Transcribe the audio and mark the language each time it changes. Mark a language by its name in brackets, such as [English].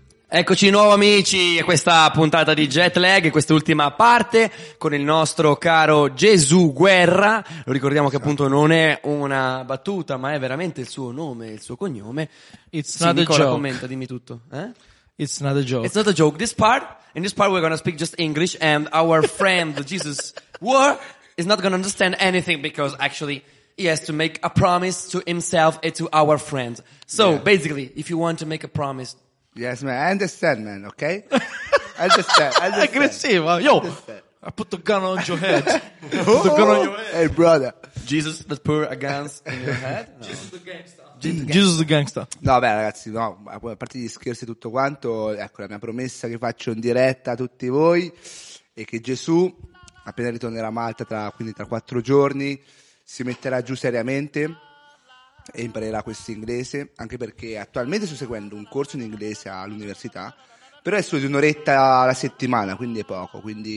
[Italian] Eccoci di nuovo amici a questa puntata di Jetlag, quest'ultima parte con il nostro caro Gesù Guerra. Lo ricordiamo che appunto non è una battuta, ma è veramente il suo nome, il suo cognome. [English] It's not Nicola, a joke. [Italian] Commenta, dimmi tutto. Eh? [English] It's not a joke. It's not a joke. In this part we're gonna speak just English and our friend Jesus War is not gonna understand anything because actually he has to make a promise to himself and to our friend. So yeah. Basically, if you want to make a promise... Yes, man. I understand, man. Okay? I understand. [Italian] Aggressivo. [English] Yo, I put the gun on your head. Put the gun on your head. Hey, brother. Jesus, let's put a gun in your head. No. Jesus the gangster. Jesus the gangster. [Italian] No, beh, ragazzi, no. A parte gli scherzi e tutto quanto, ecco, la mia promessa che faccio in diretta a tutti voi è che Gesù, appena ritornerà a Malta, tra quattro giorni, si metterà giù seriamente e imparerà questo inglese, anche perché attualmente sto seguendo un corso in inglese all'università, però è solo di un'oretta alla settimana, quindi è poco, quindi